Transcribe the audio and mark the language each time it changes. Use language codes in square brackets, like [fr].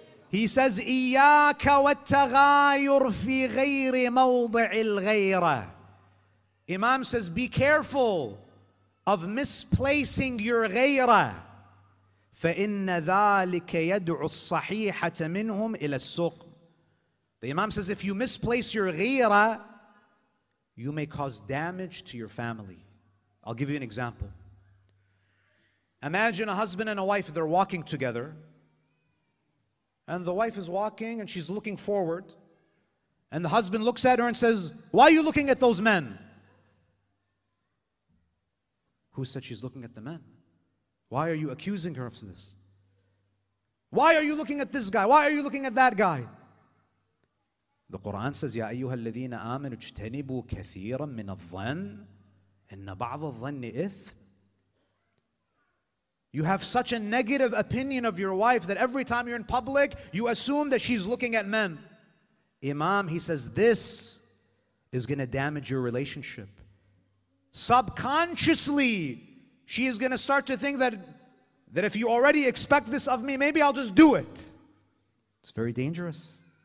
[en] He says, [ar] إِيَّاكَ وَالتَّغَايُرُ فِي غَيْرِ مَوْضِعِ الْغَيْرَةِ. [en] Imam says, be careful of misplacing your غَيْرَة. [ar] فَإِنَّ ذَلِكَ يَدْعُ الصَّحِيحَةَ مِنْهُمْ إِلَى السُّقْمِ. [en] The Imam says, if you misplace your غَيْرَة, you may cause damage to your family. I'll give you an example. Imagine a husband and a wife, they're walking together. And the wife is walking and she's looking forward. And the husband looks at her and says, why are you looking at those men? Who said she's looking at the men? Why are you accusing her of this? Why are you looking at this guy? Why are you looking at that guy? The Quran says, [ar] يَا أَيُّهَا الَّذِينَ آمَنُوا اجْتَنِبُوا كَثِيرًا مِّنَ الظَّنِّ إِنَّ بَعْضَ الظَّنِّ إِثْمٌ. [en] You have such a negative opinion of your wife that every time you're in public, you assume that she's looking at men. Imam, he says, this is going to damage your relationship. Subconsciously, she is going to start to think that if you already expect this of me, maybe I'll just do it. It's very dangerous.